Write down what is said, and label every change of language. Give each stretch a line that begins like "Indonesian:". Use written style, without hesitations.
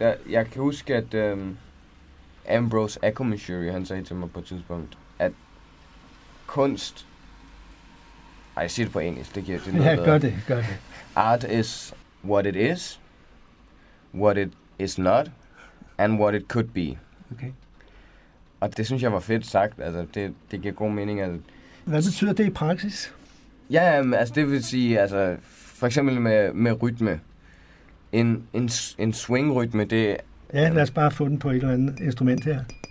Danish: Jeg kan huske, at Ambrose Akomishuri, han sagde til mig på et tidspunkt, at kunst... Ej, jeg siger det på engelsk, det giver det noget bedre. Ja, gør det.
English: Art is what it is, what it is not, and what it could be. Okay.
Danish: Og det synes jeg var fedt sagt. Altså, det giver god mening. Altså. Hvad betyder det i praksis? Ja, altså, det vil sige, altså, for eksempel med rytme. En swing-rytme, det... Ja, lad os bare få den på et eller andet instrument her.